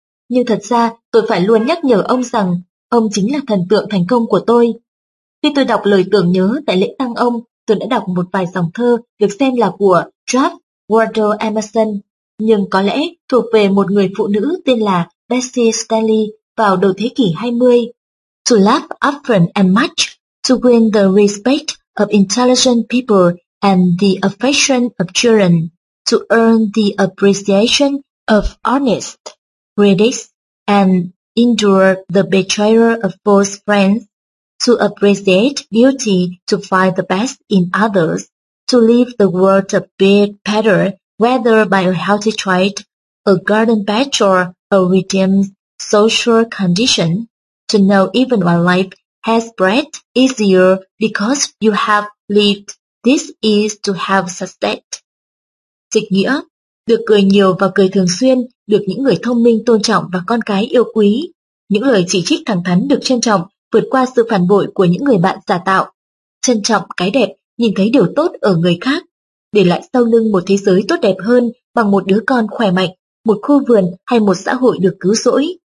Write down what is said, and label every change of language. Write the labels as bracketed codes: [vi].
[vi] Nhưng thật ra, tôi phải luôn nhắc nhở ông rằng ông chính là thần tượng thành công của tôi. Khi tôi đọc lời tưởng nhớ tại lễ tang ông, tôi đã đọc một vài dòng thơ được xem là của Ralph Waldo Emerson, nhưng có lẽ thuộc về một người phụ nữ tên là Bessie Stanley vào đầu thế kỷ 20. [en] To laugh often and much, to win the respect of intelligent people and the affection of children, to earn the appreciation of honest critics and endure the betrayal of false friends, to appreciate beauty, to find the best in others, to leave the world a bit better, whether by a healthy trait, a garden patch or a redeemed social condition, to know even when life has breath easier because you have lived, this is to have success. [vi] Dịch nghĩa: được cười nhiều và cười thường xuyên, được những người thông minh tôn trọng và con cái yêu quý. Những lời chỉ trích thẳng thắn được trân trọng, vượt qua sự phản bội của những người bạn giả tạo. Trân trọng cái đẹp, nhìn thấy điều tốt ở người khác. Để lại sau lưng một thế giới tốt đẹp hơn bằng một đứa con khỏe mạnh, một khu vườn hay một xã hội được cứu rỗi.